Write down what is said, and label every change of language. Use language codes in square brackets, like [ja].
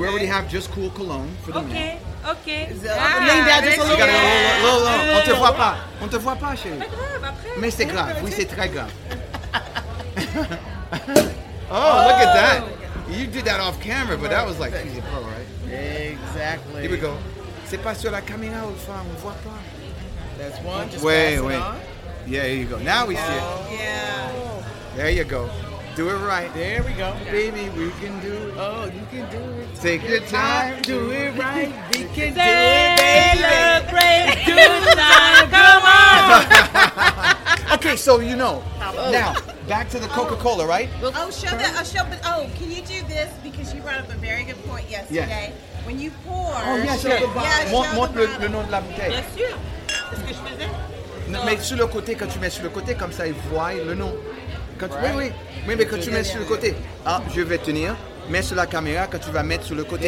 [en] We already have Just Cool cologne for the men. Okay. Name that just a little. [fr] On te voit pas. On te voit pas, chérie. Mais c'est grave. Oui, c'est très grave. [en] Oh, look at that. You did that off camera, but that was like, she's a pro, right? Exactly. Here we go. [fr] C'est pas sur la caméra, on voit pas. [en] That's one. Just wait. [fr] On. [en] Yeah, here you go. Now we see it. Yeah. There you go. Do it right. There we go. Yeah. Baby, we can do it. Oh, you can do it. Take your time. Do it right. We can do it, baby. They look great tonight. Come on. Okay, so you know. Now, back to the Coca-Cola, right? Oh, show that. Can you do this? Because you brought up a very good point yesterday. Yes. When you pour. Oh, yes, show the bottom. Yeah, [fr] montre le nom de la bouteille. Bien sûr. Est-ce que je faisais? Mais sur le côté, quand tu mets sur le côté, comme ça, ils voient le nom. Quand [en] right. [fr] Oui, mais quand tu mets sur le côté. Ah, je vais tenir. Mets sur la caméra quand tu vas mettre sur le côté.